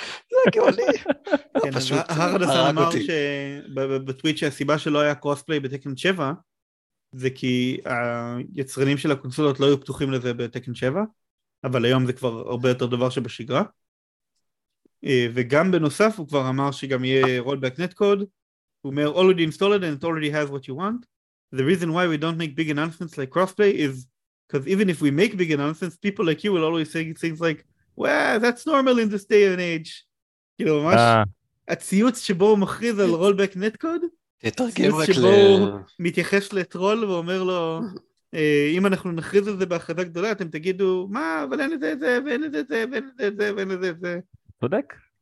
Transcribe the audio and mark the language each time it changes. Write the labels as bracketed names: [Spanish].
[Hebrew] זה גאולי. הרדה סאן אמר בטוויט שהסיבה שלא היה קרוספליי בטקן 7, זה כי היצרנים של הקונסולות לא היו פתוחים לזה בטקן 7, אבל היום זה כבר הרבה יותר דבר שבשגרה. וגם בנוסף הוא כבר אמר שגם יהיה rollback netcode, הוא אומר, [English] already installed and it already has what you want. The reason why we don't make big announcements like crossplay is because even if we make big announcements, people like you will always say things like, well, that's normal in this day and age. [Hebrew] כאילו ממש, הציוץ שבו הוא מכריז על rollback netcode, ציוץ שבו הוא מתייחס לטרול ואומר לו, אם אנחנו נכריז על זה בהחלטה גדולה, אתם תגידו, מה, אבל אין לזה זה, ואין לזה זה, ואין לזה זה, ואין לזה זה. צודק,